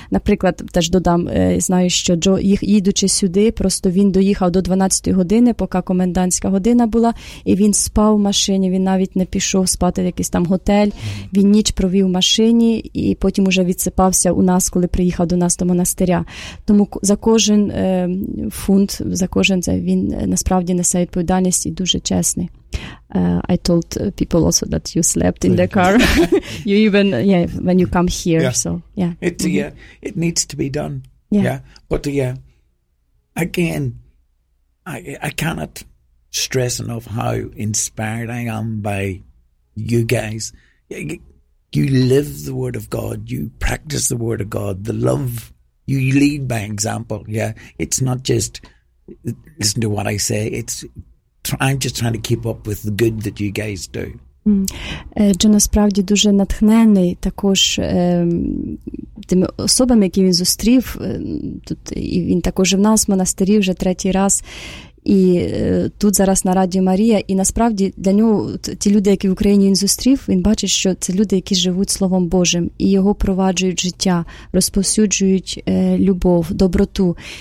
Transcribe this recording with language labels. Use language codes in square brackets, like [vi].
[uk] Наприклад, теж додам, знаю, що Джо, їдучи сюди, просто він доїхав до 12 години, поки комендантська година була, і він спав в машині, він навіть не пішов спати в якийсь там готель. Він ніч провів в машині і потім уже відсипався у нас, коли приїхав до нас до монастиря. Тому за кожен фунт, за кожен це він насправді несе відповідальність і дуже чесний. [en] I told people also that you slept in the car. You even, when you come here. Yeah. So, yeah. It's, mm-hmm. It needs to be done. Yeah. But, again, I cannot stress enough how inspired I am by you guys. You live the Word of God. You practice the Word of God. The love, you lead by example. Yeah. It's not just listen to what I say. I'm just trying to keep up with the good that you guys do. [uk] Джо насправді дуже натхнений також тими особами, які він зустрів тут, і він також в нас в монастирі вже третій раз. І тут зараз на Радіо Марія, і насправді для нього ті люди, які в Україні він зустрів, він бачить, що це люди, які живуть Словом Божим, і його проваджують життя, розповсюджують любов, доброту.